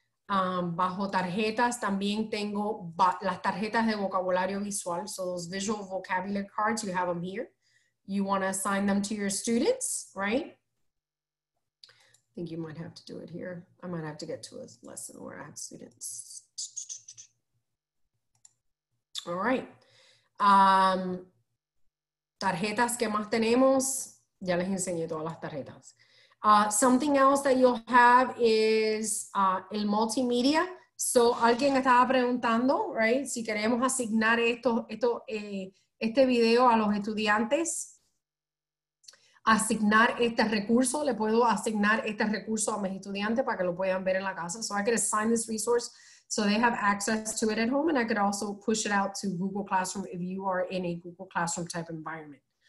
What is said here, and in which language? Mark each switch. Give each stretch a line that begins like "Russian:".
Spanish: Bajo tarjetas, también tengo las tarjetas de vocabulario visual.
English: So those visual vocabulary cards, you have them here. You want to assign them to your students, right? I think you might have to do it here. I might have to get to a lesson where I have students. All right.
Spanish: Tarjetas, ¿qué más tenemos? Ya les enseñé todas las tarjetas.
English: Something else that you'll have is
Spanish: el multimedia. So alguien estaba preguntando, right? Si queremos asignar este video a los estudiantes. Asignar este recurso, le puedo asignar este recurso a mis estudiantes para que lo puedan ver en la casa.
English: So I could assign this resource so they have access to it at home, and I could also push it out to Google Classroom if you are in a Google Classroom type environment.